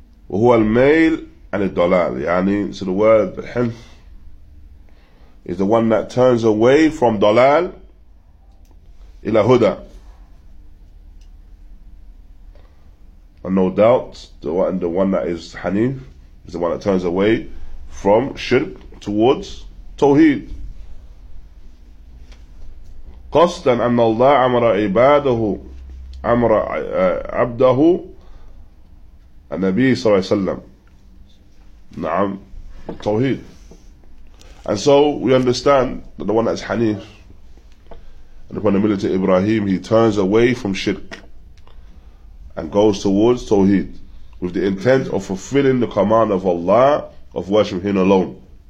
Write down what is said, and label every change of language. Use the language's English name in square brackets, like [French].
[Arabic] وهو الميل عن الضلال. يعني, [English] so the word الحنف is the one that turns away from ضلال [Arabic] إلى هدى. [English] And no doubt, the one that is حنيف is the one that turns away from shirk towards توحيد. [Arabic] قصدا أن الله أمر عباده أمر عبده النبي صلى الله عليه وسلم. نعم. التوحيد. [English] And so we understand that the one that's Hanif, and upon the military Ibrahim, he turns away from shirk and goes towards Tawheed with the intent of fulfilling the command of Allah of worshiping Him alone.